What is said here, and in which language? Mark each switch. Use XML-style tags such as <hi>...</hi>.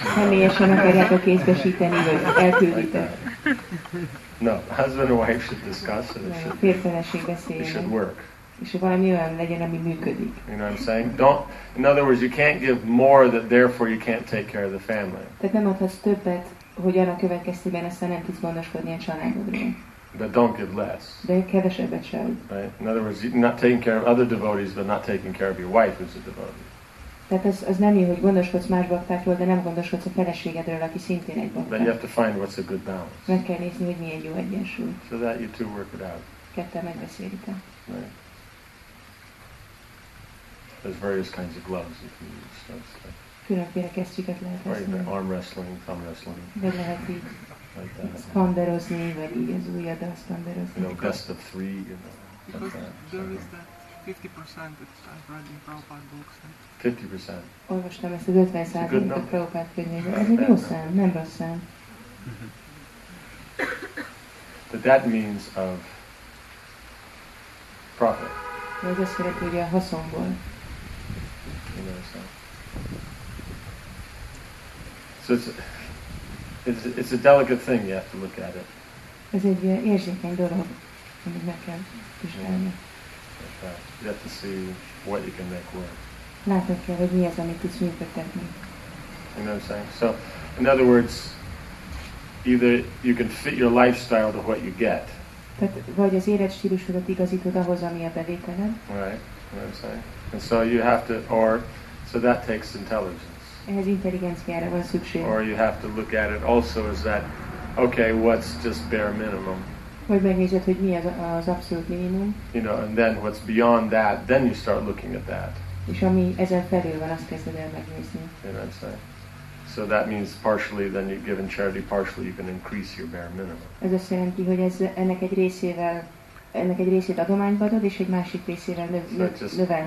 <hu>Személyesen akarjátok kézbesíteni, vagy elküldítek.</hu> <en>No, husband and wife should discuss it. It should work.</en> <hu>És valami olyan legyen, ami működik.</hu> <en>You know what I'm saying? Don't. In other words, you can't give more that therefore you can't take care of the family.</en> <hu>Tehát nem adhatsz többet, hogy annak következtében aztán nem tudsz gondoskodni a családodról.</hu> <en>But don't give less.</en> <hu>De kevesebbet sem.</hu> <en>Right? In other words, you're not taking care of other devotees, but not taking care of your wife who's a devotee.</en> <hu>Tehát az nem jó, hogy gondoskodsz más baktákról, de nem gondoskodsz a feleségedről, aki szintén egy bakták.</hu> <en>Then you have to find what's a good balance.</en> <hu>Meg kell nézni, hogy mi egy jó egyensúly.</hu> <en>So that you two work it out.</en> <hu>Ketten megbeszélik el.</hu> <en>There's various kinds of gloves you can use. So it's like</en> <hu>különféle kesztyüket lehet használni.</hu> <en>Arm wrestling, thumb wrestling.</en> <hu>De lehet így like szpanderozni, vagy így az ujjaddal szpanderozni.</hu> <en>You know, best of three, you know. Because there is that 50% that I've read in Prabhupada books. 50%.</en> <hu>Olvastam ezt az 50% a Prabhupada könyvében. Ez egy jó szám, nem rossz szám.</hu> <en>But that means of profit.</en> <hu>De ez azt jelenti, hogy a haszonból.</hu> <en>You know, so. So it's a delicate thing, you have to look at it.</en> <hu>Ez egy érzékeny dolog, amit meg kell vizsgálni.</hu> <en>You have to see what you can make work.</en> <hu>Látod kell, hogy mi az, amit tudsz működtetni.</hu> <en>You know what I'm saying? So, in other words, either you can fit your lifestyle to what you get.</en> <hu>Tehát, vagy az életstílusodat igazítod ahhoz, ami a bevételed.</hu> <en>Right, you know what I'm saying? And so you have to, or, so that takes intelligence.</en> <hu>Ehhez intelligenciára van szükség.</hu> <en>Or you have to look at it also as that, okay, what's just bare minimum?</en> <hu>Vagy megnézed, hogy mi az abszolút minimum.</hu> <en>You know, and then what's beyond that, then you start looking at that.</en> <hu>És ami ezen felül van, azt kezded el megnézni.</hu> <en>You know what I'm saying? So that means partially then you give in charity, partially you can increase your bare minimum.</en> <hu>Ez azt jelenti, hogy ez ennek egy részével, ennek egy részét adományba adod, és egy másik részével növelheted.</hu>